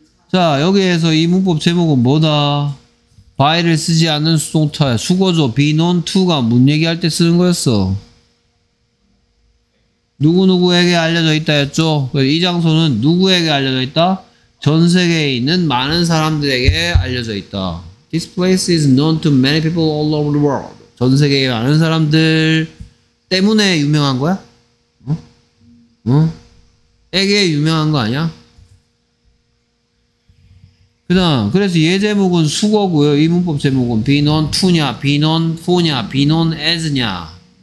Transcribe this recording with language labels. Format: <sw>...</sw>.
<ko>자, 여기에서 이 문법 제목은 뭐다? 바이를 쓰지 않는 수동태 수거조 be known to가 뭔 얘기할 때 쓰는 거였어. 누구누구에게 알려져 있다 였죠. 이 장소는 누구에게 알려져 있다? 전 세계에 있는 많은 사람들에게 알려져 있다.</ko> <en>This place is known to many people all over the world.</en> <ko>전 세계에 많은 사람들 때문에 유명한 거야? 에게 유명한 거 아니야? 그 다음, 그래서 예 제목은 수거고요. 이 문법 제목은 be known to냐, be known for냐, be known as냐.</ko>